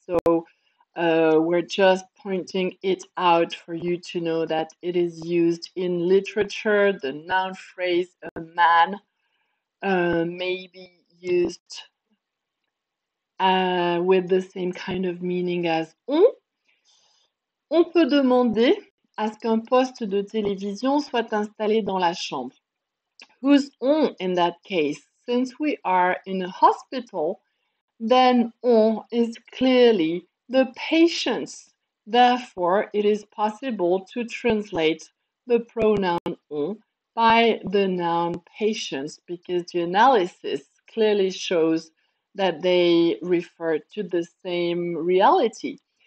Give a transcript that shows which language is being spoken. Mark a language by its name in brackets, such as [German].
[English] So we're just pointing it out for you to know that it is used in literature. The noun phrase a man may be used with the same kind of meaning as on. [French] On peut demander à ce qu'un poste de télévision soit installé dans la chambre. [English] Who's on in that case? Since we are in a hospital, then on is clearly the patients. Therefore, it is possible to translate the pronoun on by the noun patients, because the analysis clearly shows that they refer to the same reality.